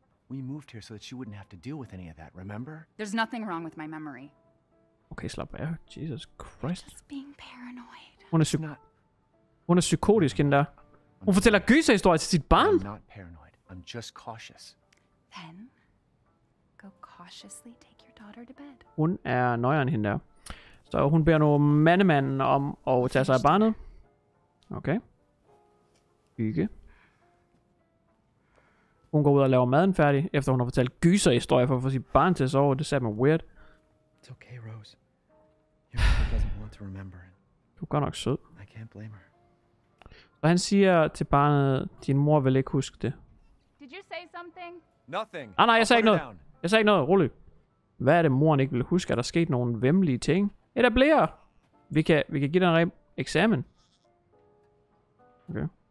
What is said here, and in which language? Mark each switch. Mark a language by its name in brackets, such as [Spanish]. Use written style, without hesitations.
[English] We moved here so that she wouldn't have to deal with any of that, remember? There's nothing wrong with my memory. Okay, [Danish] slap af. [English] Jesus Christ. Just being paranoid. [Danish] Hun er psykotisk, hende der. Hun fortæller gyserhistorier til sit barn. [English] I'm not paranoid. I'm just cautious. Then go cautiously take your daughter to bed. [Danish] Hun er nøjeren, hende der. Så hun beder nu mandemanden om at tage sig af barnet. Okay. Hygge. Hun går ud og laver maden færdig, efter hun har fortalt gyserhistorier for at få sit barn til at sove. Det sagde mig weird. [English] It's okay, Rose. Your mother doesn't want to remember it. [Danish] Du er godt nok sød. [English] I can't blame her. [Danish] Så han siger til barnet, din mor vil ikke huske det. [English] Did you say something? Nothing. [Danish] Ah, nej, jeg sagde ikke noget. Jeg sagde ikke noget. Rolig. Hvad er det, moren ikke vil huske? Er der sket nogle væmmelige ting? Etablerer. Vi kan give dig en rem eksamen. Okay.